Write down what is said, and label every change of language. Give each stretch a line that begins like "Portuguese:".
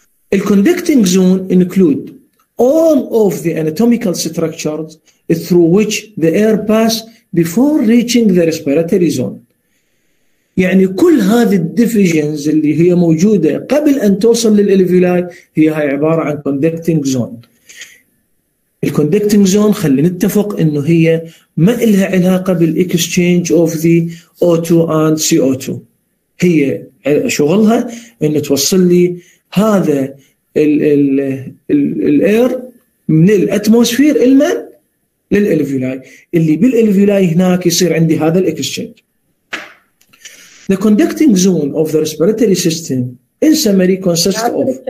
English: The conducting zone include all of the anatomical structures through which the air pass before reaching the respiratory zone.
Arabic: يعني كل هذه الديفيجنز اللي هي موجودة قبل أن توصل للإلفيولاي هي هاي عبارة عن
English: conducting zone. The conducting zone,
Arabic: خلي نتفق إنه هي ما إلها علاقة
English: بالexchange of the O2 and CO2.
Arabic: هي شغلها إنه توصل لي هذا الـ air
English: من الأتموسفير
Arabic: الماء للإلفيولاي اللي بالإلفيولاي هناك يصير عندي هذا الexchange.
English: The conducting zone of the respiratory system in summary consists of.